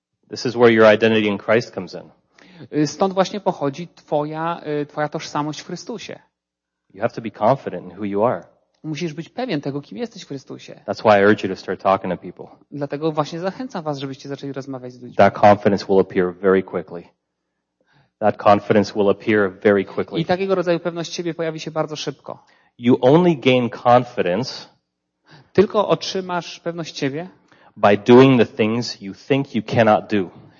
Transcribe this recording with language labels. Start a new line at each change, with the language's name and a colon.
English: This is where your identity in Christ comes in.
Polish: Stąd właśnie pochodzi twoja tożsamość w Chrystusie.
English: You have to be confident in who you are.
Polish: Musisz być pewien tego, kim jesteś w Chrystusie.
English: That's why I urge you to start talking to people.
Polish: Dlatego właśnie zachęcam was, żebyście zaczęli rozmawiać z ludźmi.
English: That confidence will appear very quickly. That confidence will appear very quickly.
Polish: I takiego rodzaju pewność siebie pojawi się bardzo szybko.
English: You only gain confidence.
Polish: Tylko otrzymasz pewność siebie.
English: By doing the things you think you cannot do.